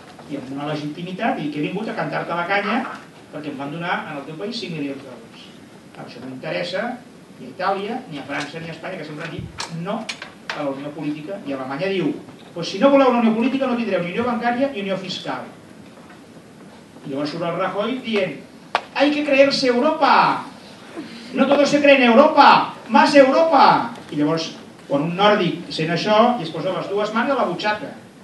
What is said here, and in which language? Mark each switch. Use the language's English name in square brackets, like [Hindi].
[Catalan] I amb una legitimitat, i que he vingut a cantar-te la canya perquè em van donar en el teu país 5 milions d'euros. Això m'interessa, ni a Itàlia, ni a França, ni a Espanya, que sempre han dit no a la Unió Política, i Alemanya diu, pues si no voleu la Unió Política no tindreu ni Unió Bancària ni Unió Fiscal. I llavors surt el Rajoy dient, [Spanish] hay que creerse Europa, no todos se creen Europa, más Europa. [Catalan] I llavors, quan un nòrdic sent això, i es posa les dues mans a la butxaca.